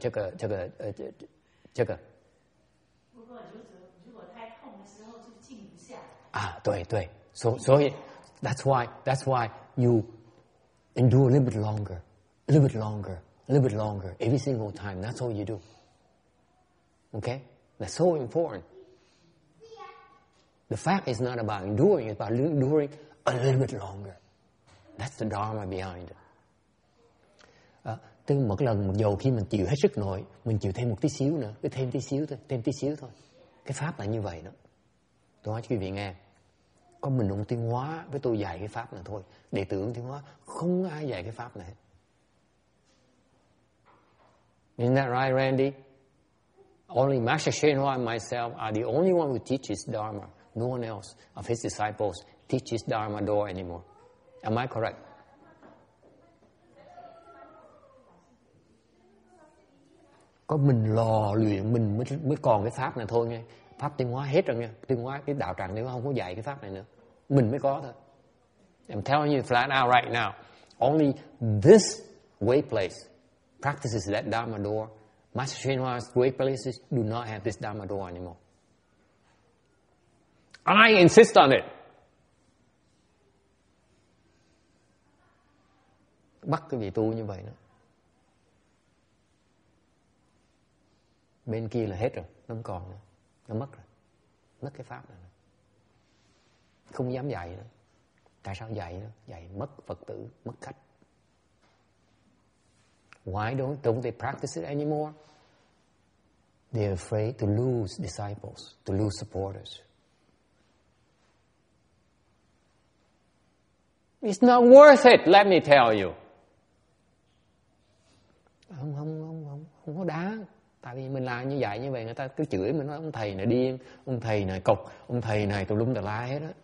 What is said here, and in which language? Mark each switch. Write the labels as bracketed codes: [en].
[zh] 如果太痛的时候就静一下。对。所以, [en] that's why you endure a little bit longer. A little bit longer, every single time. That's all you do. Okay? That's so important. The fact is not about enduring, it's about enduring a little bit longer. That's the Dharma behind it. [vi] Tức một lần, dù khi mình chịu hết sức nổi, mình chịu thêm một tí xíu nữa, cứ thêm tí xíu thôi, thêm tí xíu thôi. Cái pháp là như vậy đó. Tôi nói cho quý vị nghe, có mình ông Tiên Hóa với tôi dạy cái pháp này thôi. Đệ tử ông Tiên Hóa không ai dạy cái pháp này. [en] Isn't that right, Randy? Only Master Shenhua and myself are the only one who teaches Dharma. No one else of his disciples teaches Dharma Do anymore. Am I correct? [vi] Có mình lò luyện mình mới còn cái pháp này thôi nghe. Pháp Tiên Hóa hết rồi nghe. Tiên Hóa cái đạo tràng nếu không có dạy cái pháp này nữa, mình mới có thôi. [en] I'm telling you flat out right now, only this way place practices that Dharma Do. Master Shenhua's way places do not have this Dharma Do anymore. I insist on it. [vi] Bắt cái vị tu như vậy đó. Bên kia là hết rồi, nó không còn nữa. Nó mất rồi. Mất cái pháp này. Không dám dạy nữa. Tại sao dạy nữa? Dạy mất Phật tử, mất khách. [en] Why don't they practice it anymore? They're afraid to lose disciples, to lose supporters. It's not worth it, let me tell you. [vi] Không có đáng. Tại vì mình làm như vậy, như vậy người ta cứ chửi mình, nói ông thầy này điên, ông thầy này cục, ông thầy này tùm lum tà la hết á.